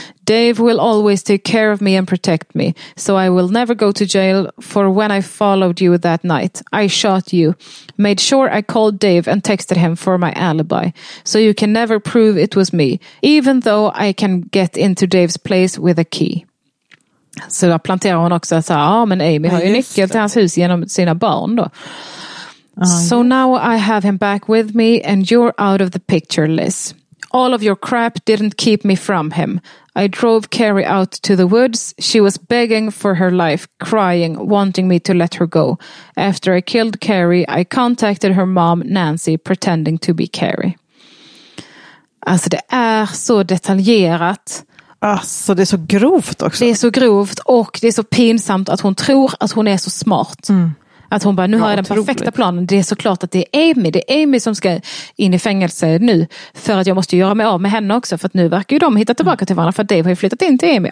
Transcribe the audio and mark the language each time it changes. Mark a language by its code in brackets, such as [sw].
[en] Dave will always take care of me and protect me. So I will never go to jail for when I followed you that night. I shot you. Made sure I called Dave and texted him for my alibi. So you can never prove it was me. Even though I can get into Dave's place with a key. [sv] Så då planterar hon också att säga, men Amy har ju nyckel till hans hus genom sina barn då. [en] So now I have him back with me and you're out of the picture, Liz. All of your crap didn't keep me from him. I drove Carrie out to the woods. She was begging for her life, crying, wanting me to let her go. After I killed Carrie, I contacted her mom, Nancy, pretending to be Carrie. [sv] Alltså det är så detaljerat. Alltså, det är så grovt också. Det är så grovt och det är så pinsamt att hon tror att hon är så smart. Mm. Att hon bara, nu har jag den perfekta planen. Det är såklart att det är Amy som ska in i fängelse nu. För att jag måste göra mig av med henne också. För att nu verkar ju de hitta tillbaka till varandra. För att Dave har ju flyttat in till Amy.